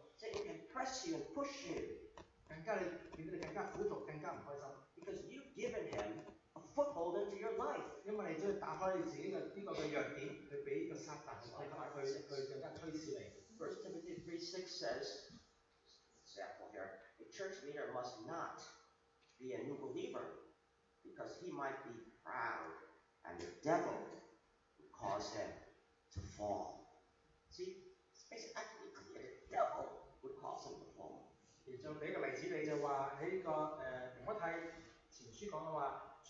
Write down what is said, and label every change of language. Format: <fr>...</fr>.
<en>So it can press you and push you.</en> <yue>更加你變得更加苦毒，更加唔開心。</yue> <en>Because you've given him a foothold into your life.</en> <yue>因為你將打開你自己嘅呢個嘅弱點，去俾個撒旦去更加推使你。</yue> <en>1 Timothy 3:6 says, example here, a church leader must not be a new believer because he might be proud and the devil would cause him to fall. See, it's basically clear the devil would cause him to fall.</en> <yue>就俾個例子，你就話喺個《提摩太前書》講嘅話。</yue>